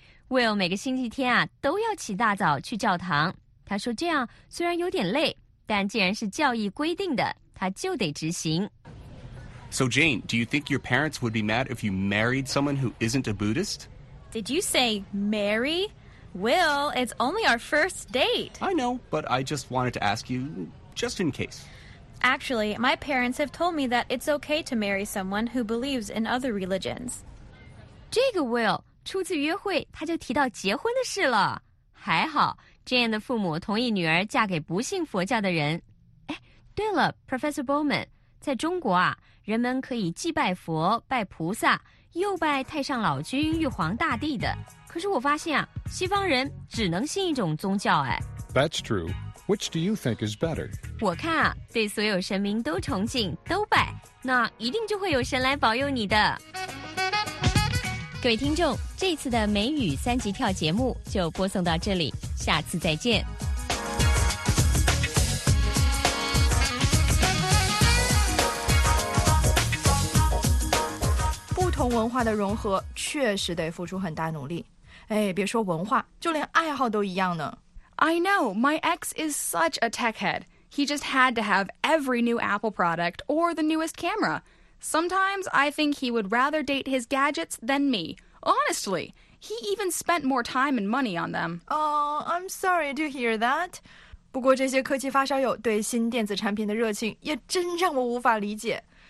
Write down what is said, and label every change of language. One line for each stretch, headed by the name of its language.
Chinese: Will 每个星期天啊都要起大早去教堂，他说这样虽然有点累，但既然是教义规定的，他就得执行。
English: So Jane, do you think your parents would be mad if you married someone who isn't a Buddhist? Did you say marry? Will, it's only our first date. I know, but I just wanted to ask you, just in case. Actually, my parents have told me that it's okay to marry someone who believes in other religions.
Chinese: 这个 Will, 初次约会他就提到结婚的事了。还好 Jane 的父母同意女儿嫁给不信佛教的人。哎，对了 Professor Bowman, 在中国啊人们可以既拜佛、拜菩萨，又拜太上老君、玉皇大帝的。可是我发现啊，西方人只能信一种宗教哎。
English: That's true. Which do you think is better?
Chinese: 我看啊，对所有神明都崇敬、都拜，那一定就会有神来保佑你的。各位听众，这次的美语三级跳节目就播送到这里，下次再见。同文化的融合确实得付出很大努力，哎，别说文化，就连爱好都一样呢。
English: I know, my ex is such a tech head. He just had to have every new Apple product or the newest camera. Sometimes I think he would rather date his gadgets than me. Honestly, he even spent more time and money on them. Oh, I'm sorry to hear that.
Chinese: 不过这些科技发烧友对新电子产品的热情也真让我无法理解。